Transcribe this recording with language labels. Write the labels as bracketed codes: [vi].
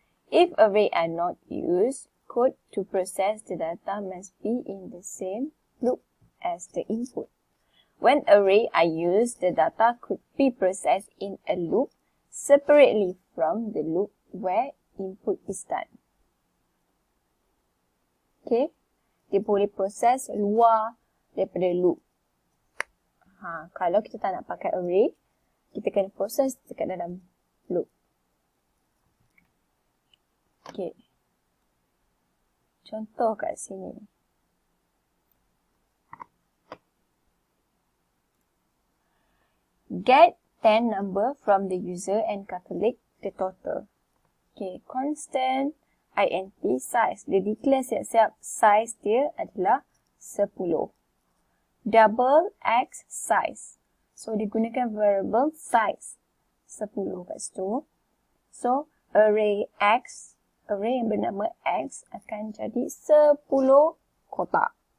[en] If array are not used, code to process the data must be in the same loop as the input. When array are used, the data could be processed in a loop separately from the loop where input is done. [ms] Okay, dia boleh proses luar daripada loop. Ha, kalau kita tak nak pakai array, kita kena proses dekat dalam loop. Okay. Contoh kat sini. [en] Get 10 number from the user and calculate the total. Okay, constant. Int size. [ms] Dia declare siap-siap size dia adalah 10. [en] Double x size. [ms] So, dia gunakan variable size 10 kat situ. So, array x, array yang bernama x akan jadi 10 kotak.